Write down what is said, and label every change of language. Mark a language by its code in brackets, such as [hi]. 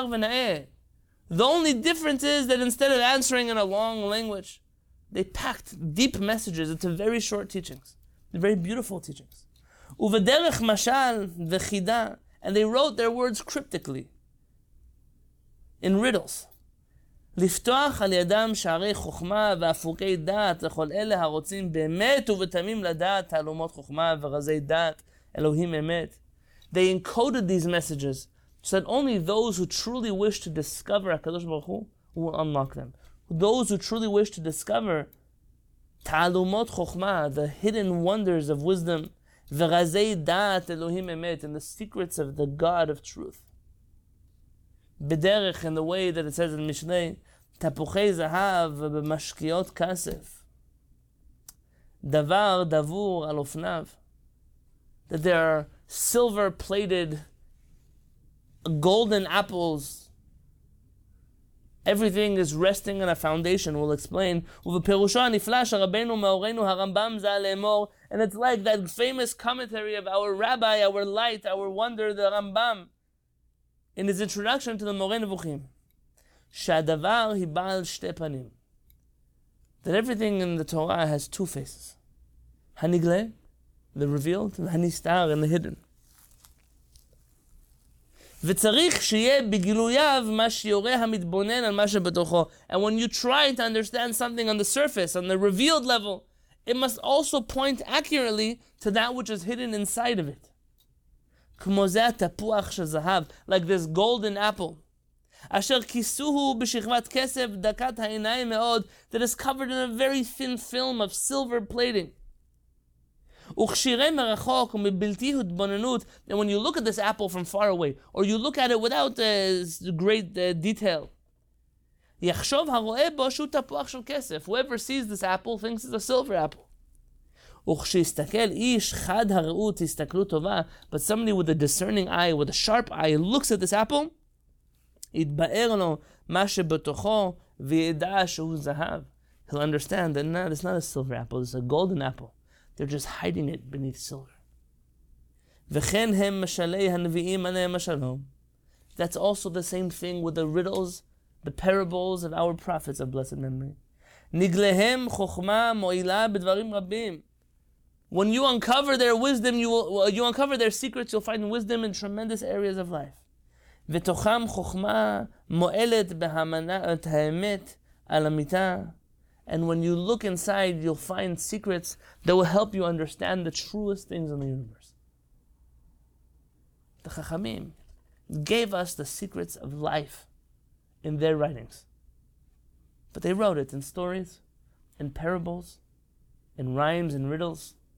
[en] The only difference is that instead of answering in a long language, they packed deep messages into very short teachings, very beautiful teachings. And they wrote their words cryptically, in riddles. [he] לפתוח על ידם שערי חוכמה ואפוקי דעת לכל אלה הרוצים באמת ובתמים לדעת תעלומות חוכמה ורזי דעת אלוהים אמת. [en] They encoded these messages so that only those who truly wish to discover HaKadosh Baruch Hu will unlock them. Those who truly wish to discover [he] תעלומות חוכמה, [en] the hidden wonders of wisdom, [he] ורזי דעת אלוהים אמת, [en] and the secrets of the God of truth. בדרך, in the way that it says in Mishnei, [he] תפוחי זהב ובמשקיעות כסף. דבר דבור על אופניו. [en] That there are silver-plated golden apples. Everything is resting on a foundation, we'll explain. [he] ובפירושו הנפלא שרבנו מאורנו הרמב״ם זה לאמור. [en] And it's like that famous commentary of our rabbi, our light, our wonder, the Rambam. In his introduction to the Moreh Nevuchim, [he] שהדבר היא בעל שתי פנים. [en] That everything in the Torah has two faces. [he] הנגלה, [en] the revealed, [he] והנסתר, [en] and the hidden. [he] וצריך שיהיה בגילויו מה שיורה המתבונן על מה שבתוכו. [en] And when you try to understand something on the surface, on the revealed level, it must also point accurately to that which is hidden inside of it. [he] כמו זה התפוח של זהב, [en] like this golden apple, [he] אשר כיסוהו בשכבת כסף דקת העיניים מאוד, [en] that is covered in a very thin film of silver plating. [he] וכשירי מרחוק ומבלתי התבוננות, [en] and when you look at this apple from far away, or you look at it without great detail, [he] יחשוב הרואה בו שהוא תפוח של כסף. [en] Whoever sees this apple thinks it's a silver apple. [he] וכשיסתכל איש חד הראות הסתכלו טובה, [en] but somebody with a discerning eye, with a sharp eye, looks at this apple, [he] יתבאר לו מה שבתוכו וידע שהוא זהב. [en] He'll understand that no, it's not a silver apple, it's a golden apple. They're just hiding it beneath silver. [he] וכן הם משלי הנביאים עליהם השלום. [en] That's also the same thing with the riddles, the parables of our prophets of blessed memory. [he] נגליהם חוכמה מועילה בדברים רבים. [en] When you uncover their wisdom, you uncover their secrets, you'll find wisdom in tremendous areas of life. [he] ותוכם חוכמה מועלת בהמנת האמת על המיטה. [en] And when you look inside, you'll find secrets that will help you understand the truest things in the universe. The Chachamim gave us the secrets of life in their writings. But they wrote it in stories, in parables, in rhymes and riddles.